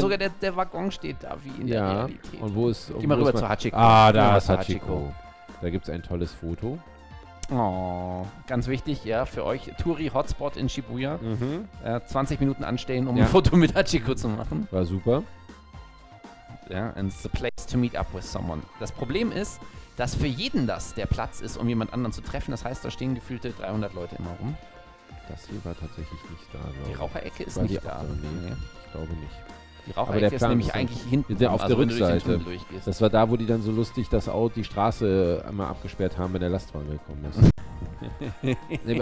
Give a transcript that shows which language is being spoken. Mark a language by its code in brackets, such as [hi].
[de] Guck mal, sogar der Waggon steht da, wie in ja, der Realität. Und wo ist... Geh mal rüber zu Hachiko. Ah, da ist Hachiko. Da gibt's ein tolles Foto. Oh, ganz wichtig, ja, für euch. Turi Hotspot in Shibuya. Mhm. 20 Minuten anstehen, um ja. ein Foto mit Hachiko zu machen. War super. [en] Ja, and it's the place to meet up with someone. [de] Das Problem ist, dass für jeden das der Platz ist, um jemand anderen zu treffen. Das heißt, da stehen gefühlte 300 Leute immer rum. Das hier war tatsächlich nicht da. Die Raucherecke ist war nicht da. Nee, nee. Ich glaube nicht. Die Raucherecke ist nämlich eigentlich hinten, auf also der Rückseite. Wenn du durch den Tunnel durchgehst. Das war da, wo die dann so lustig das Auto, die Straße einmal abgesperrt haben, wenn der Lastwagen gekommen ist.